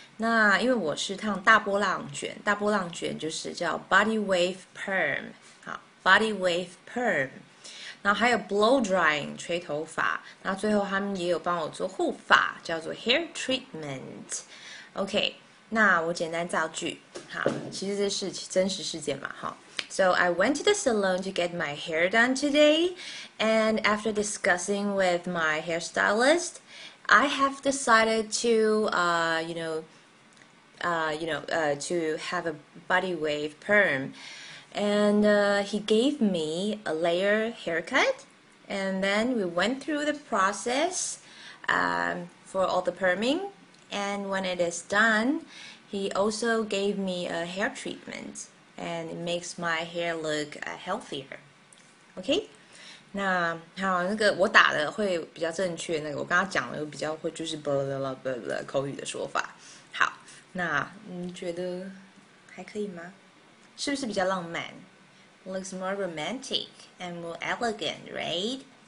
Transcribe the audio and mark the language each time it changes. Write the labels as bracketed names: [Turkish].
[Chinese] 那因为我是烫大波浪卷，大波浪卷就是叫 body wave perm，好，body wave perm。然后还有 blow drying 吹头发，然后最后他们也有帮我做护发，叫做 hair treatment。 OK，那我简单造句，好，其实这是真实事件嘛，哈。 [English] So I went to the salon to get my hair done today, and after discussing with my hairstylist, I have decided to to have a body wave perm. And he gave me a layer haircut, and then we went through the process for all the perming. And when it is done, he also gave me a hair treatment, and it makes my hair look healthier. Okay? [Chinese] 那好，那个我打的会比较正确，那个我刚刚讲的比较会就是巴拉巴拉巴拉口语的说法。好，那你觉得还可以吗？是不是比较浪漫？ [English] Looks more romantic and more elegant, right?